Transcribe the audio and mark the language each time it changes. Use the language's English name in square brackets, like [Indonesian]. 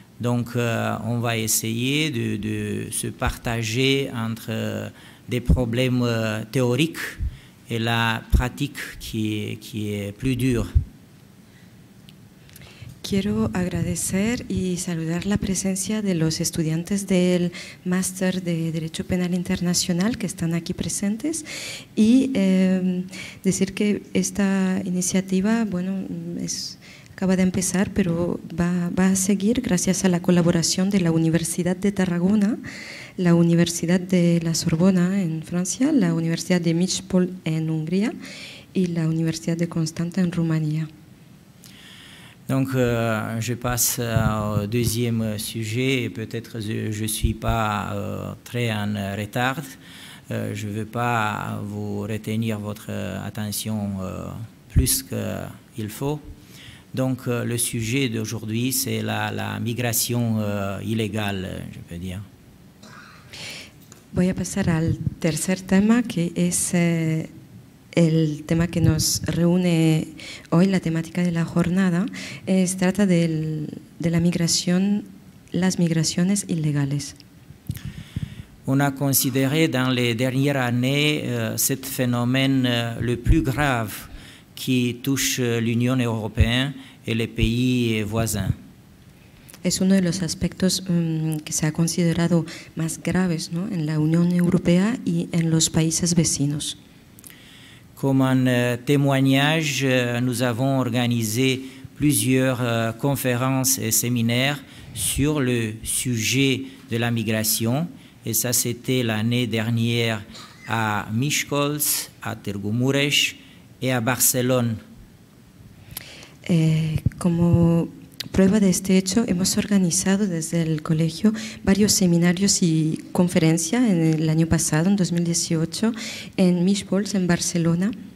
[French] Donc on va essayer de se partager entre des problèmes théoriques et la pratique qui est plus dure. [Spanish] Quiero agradecer y saludar la presencia de los estudiantes del Máster de Derecho Penal Internacional que están aquí presentes y decir que esta iniciativa, bueno, acaba de empezar, pero va a seguir gracias a la colaboración de la Universidad de Tarragona, la Universidad de la Sorbona en Francia, la Universidad de Miskolc en Hungría y la Universidad de Constanța en Rumanía. [French] Donc, je passe au deuxième sujet. Peut-être que je ne suis pas très en retard. Je ne veux pas vous retenir votre attention plus qu'il faut. Donc, le sujet d'aujourd'hui, c'est la migration illégale, je peux dire. [Spanish] Voy a pasar al tercer tema, que es el tema que nos reúne hoy, la temática de la jornada, se trata de la migración, las migraciones ilegales. [French] On a considéré dans les dernières années cet phénomène le plus grave qui touche l'Union européenne et les pays voisins. [Spanish] Es uno de los aspectos que se ha considerado más graves, ¿no?, en la Unión Europea y en los países vecinos. [French] Comme un témoignage, nous avons organisé plusieurs conférences et séminaires sur le sujet de la migration. Et ça, c'était l'année dernière à Miskolc, à Târgu Mureș et à Barcelone. [Spanish] Como prueba de este hecho, hemos organizado desde el colegio varios seminarios y conferencias en el año pasado, en 2018, en Miskolc, en Barcelona.